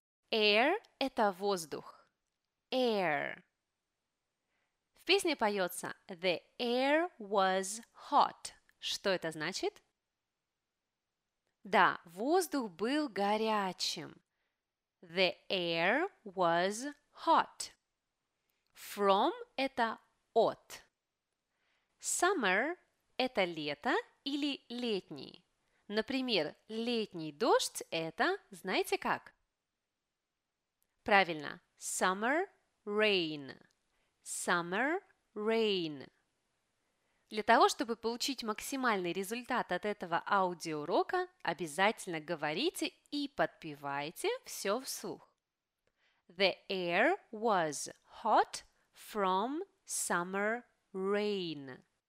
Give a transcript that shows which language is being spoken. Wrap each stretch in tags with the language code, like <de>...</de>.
<ru>Air – это воздух.</ru> <en>Air.</en> <ru>В песне поется</ru> <en>«The air was hot».</en> <ru>Что это значит? Да, воздух был горячим.</ru> <en>The air was hot. From –</en> <ru>это от. Summer – это лето или летний. Например, летний дождь – это, знаете как? Правильно,</ru> <en>summer rain. Summer rain.</en> <ru>Для того, чтобы получить максимальный результат от этого аудиоурока, обязательно говорите и подпевайте все вслух.</ru> <en>The air was hot from summer rain.</en>